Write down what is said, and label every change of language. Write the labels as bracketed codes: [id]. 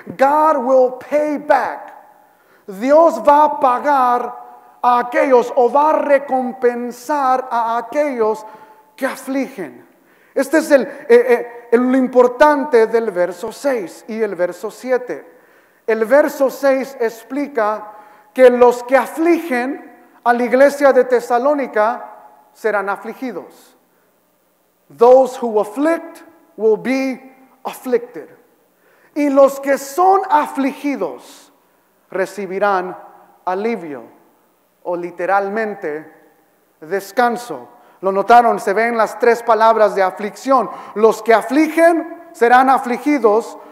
[en] God will pay back. [es] Dios va a pagar a aquellos o va a recompensar a aquellos que afligen. Este es lo importante del verso 6 y el verso 7. El verso 6 explica que los que afligen a la iglesia de Tesalónica serán afligidos. [en] Those who afflict will be afflicted. [es] Y los que son afligidos recibirán alivio, o literalmente descanso. Lo notaron, se ven las tres palabras de aflicción. Los que afligen serán afligidos.